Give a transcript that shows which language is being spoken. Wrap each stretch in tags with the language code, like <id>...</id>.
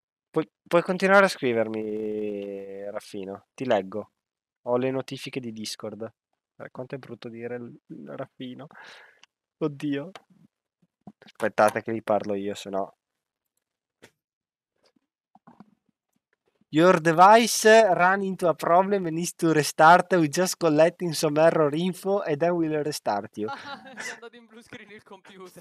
<it>Puoi continuare a scrivermi, Raffino. Ti leggo. Ho le notifiche di Discord. Quanto è brutto dire Raffino. Oddio. Aspettate che vi parlo io, se no.</it> <en>Your device ran into a problem and needs to restart. We just collecting some error info and then we'll restart you.</en> <it>Ah, gli è andato in blu screen il computer.</it>